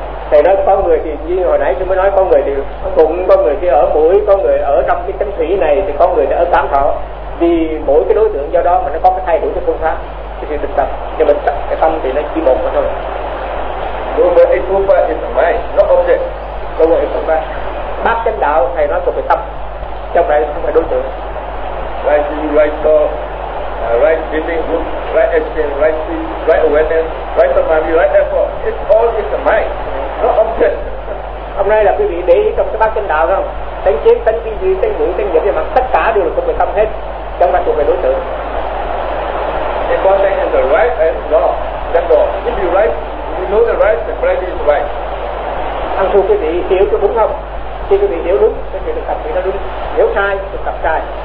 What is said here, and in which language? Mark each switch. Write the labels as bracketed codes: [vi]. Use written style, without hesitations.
[vi] Thầy nói có người thì như hồi nãy tôi mới nói, có người thì bụng, có người thì ở mũi, có người ở trong cái chánh thủy này, thì có người thì ở tám thọ. Vì mỗi cái đối tượng do đó mà nó có cái thay đổi cho phương pháp, cái sự thực tập. Nhưng mà cái tâm thì nó chỉ một mà thôi. [en] Number 8 Rupa is the mind, not object. Number 8 Rupa. [vi] Bát chánh đạo, thầy nói thuộc về tâm, trong này không phải đối tượng. [en] Right view, right thought, right feeling, right action, right feet, right awareness, right samadhi, right effort. It's all is the mind, not object. [vi] Hôm nay là quý vị để ý trong cái bát chánh đạo không? Tánh kiến, tánh vi duy, tánh ngữ, tánh nhập về mặt, tất cả đều là thuộc về tâm hết, trong này thuộc về đối tượng. [en] The content is the right and wrong. That's all. If you right, you know the right, the right is right. [vi] Anh thưa quý vị, hiểu có đúng không? Khi quý vị hiểu đúng, thì được tập thì nó đúng. Hiểu sai, được tập sai.